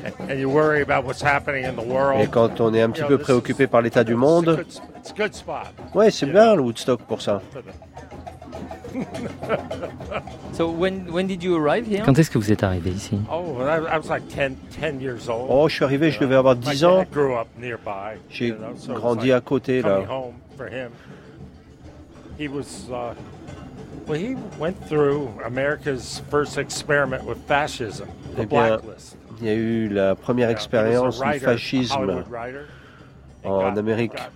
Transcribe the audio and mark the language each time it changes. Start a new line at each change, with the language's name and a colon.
French: Et quand on est un petit peu préoccupé par l'état du monde, ouais, c'est bien le Woodstock pour ça.
English: So when did you arrive here?
French: Quand est-ce que vous êtes arrivé ici?
English: Oh, I was like 10 years old.
French: Oh, je suis arrivé, je devais avoir 10 ans.
English: Grew up nearby,
French: j'ai grandi à côté là.
English: Home for him. He was well, he went through America's first experiment with fascism, the blacklist.
French: Il y a eu la première expérience du fascisme en Amérique.